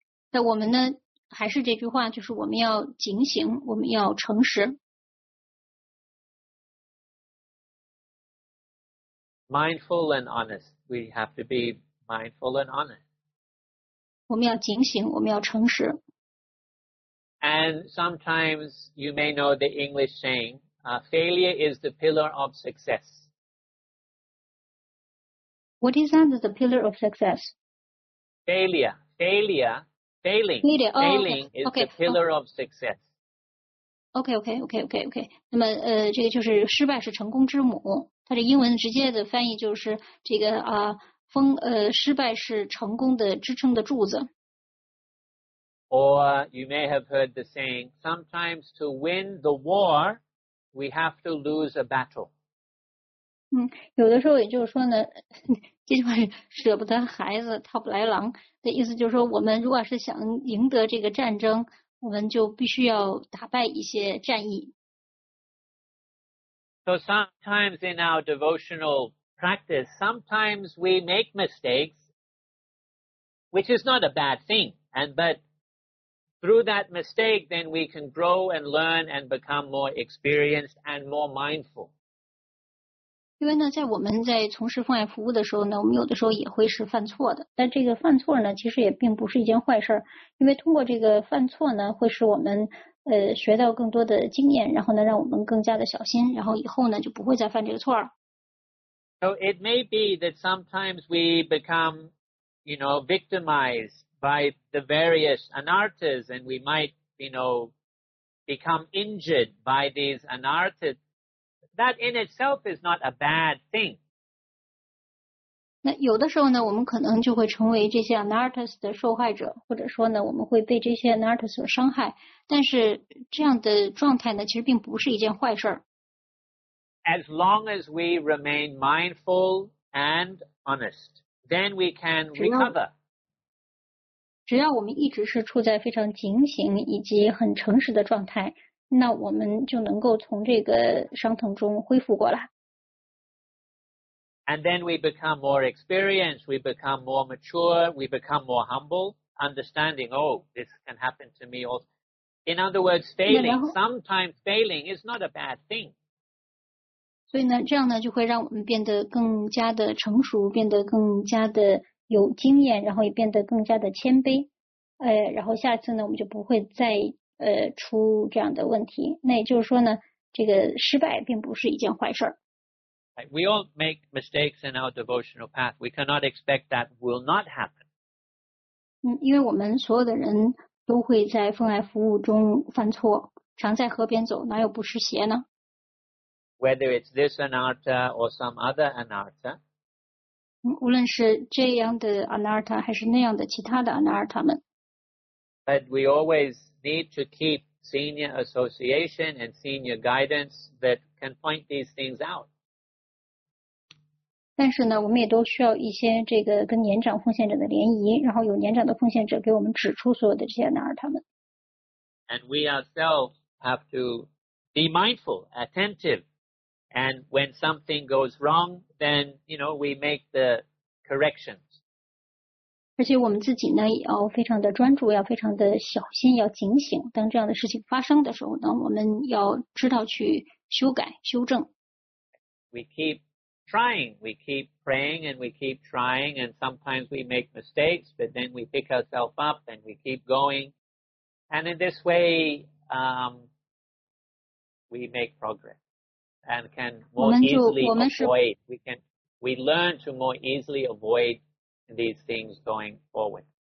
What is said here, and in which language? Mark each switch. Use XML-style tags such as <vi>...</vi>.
<zh>那我们呢还是这句话就是我们要警醒我们要诚实。</zh> <en>Mindful and honest. We have to be mindful and honest.</en> <zh>我们要警醒我们要诚实。</zh> <en>And sometimes you may know the English saying, failure is the pillar of success. What is under the pillar of success? Failing is okay, the pillar of success. Okay.</en> <zh>那么这个就是失败是成功之母。它的英文直接的翻译就是这个失败是成功的支撑的柱子。</zh> <en>Or you may have heard the saying, sometimes to win the war, we have to lose a battle.</en> <zh>有的时候也就是说呢这句话是舍不得孩子套不来狼的意思就是说我们如果是想赢得这个战争我们就必须要打败一些战役。</zh> <en>So sometimes in our devotional practice, sometimes we make mistakes, which is not a bad thing, but through that mistake, then we can grow and learn and become more experienced and more mindful.</en> <zh>因为呢在我们在从事奉爱服务的时候呢我们有的时候也会是犯错的。但这个犯错呢其实也并不是一件坏事因为通过这个犯错呢会使我们学到更多的经验然后呢让我们更加的小心然后以后呢就不会再犯这个错了。</zh> <en>So it may be that sometimes we become, you know, victimized by the various anarthas and we might, you know, become injured by these anarthas. That in itself is not a bad thing.</en> <zh>那有的时候呢，我们可能就会成为这些 anarthas 的受害者，或者说呢，我们会被这些 anarthas 所伤害。但是这样的状态呢，其实并不是一件坏事。</zh> <en>As long as we remain mindful and honest, then we can recover.</en> <zh>只要我们一直是处在非常警醒以及很诚实的状态。那我们就能够从这个伤痛中恢复过来。</zh> <en>And then we become more experienced, we become more mature, we become more humble, understanding, oh, this can happen to me also. In other words, failing, sometimes failing is not a bad thing.</en> <zh>所以呢，这样呢，就会让我们变得更加的成熟，变得更加的有经验，然后也变得更加的谦卑。然后下次呢，我们就不会再出这样的问题，那也就是说呢，这个失败并不是一件坏事。</zh> <en>We all make mistakes in our devotional path. We cannot expect that will not happen.</en> <zh>因为我们所有的人都会在奉爱服务中犯错，常在河边走，哪有不湿鞋呢？</zh> <en>whether it's this anatta or some other anatta,</en> <zh>无论是这样的 anatta 还是那样的其他的 anatta 们。</zh> <en>But we always need to keep senior association and senior guidance that can point these things out.</en> <zh>但是呢我们也都需要一些这个跟年长奉献者的联谊然后有年长的奉献者给我们指出所有的这些哪儿他们。</zh> <en>And we ourselves have to be mindful, attentive, and when something goes wrong, then, you know, we make the corrections.</en> <zh>而且我们自己呢也要非常的专注要非常的小心要警醒当这样的事情发生的时候呢我们要知道去修改修正。</zh> <en>We keep,trying, we keep praying and we keep trying and sometimes we make mistakes but then we pick ourselves up and we keep going and in this way, we make progress and can more easily avoid, we learn to more easily avoid these things going forward.</en>